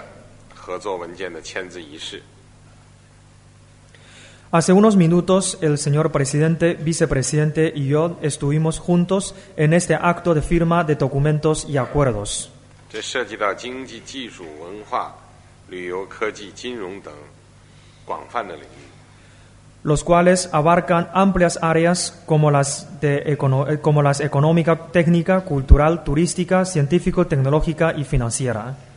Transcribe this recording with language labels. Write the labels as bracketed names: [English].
[Chinese] 刚才总统先生、副总统先生与我一起出席了有关的合作文件的签字仪式。 [Spanish] Hace unos minutos, el señor presidente, vicepresidente y yo estuvimos juntos en este acto de firma de documentos y acuerdos. [Chinese] 这涉及到经济、技术、文化、旅游、科技、金融等广泛的领域。 [Spanish] Los cuales abarcan amplias áreas como las de económica, técnica, cultural, turística, científico, tecnológica y financiera.